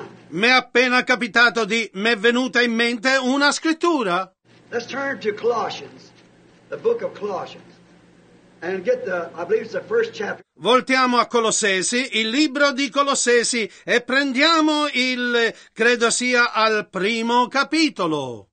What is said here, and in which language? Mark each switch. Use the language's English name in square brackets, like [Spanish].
[Italian] Mi è appena capitato di, mi è venuta in mente una scrittura. [English] Let's turn to Colossians, the book of Colossians, and get the, I believe it's the first chapter. [Italian] Voltiamo a Colossesi, il libro di Colossesi, e prendiamo il, credo sia al primo capitolo.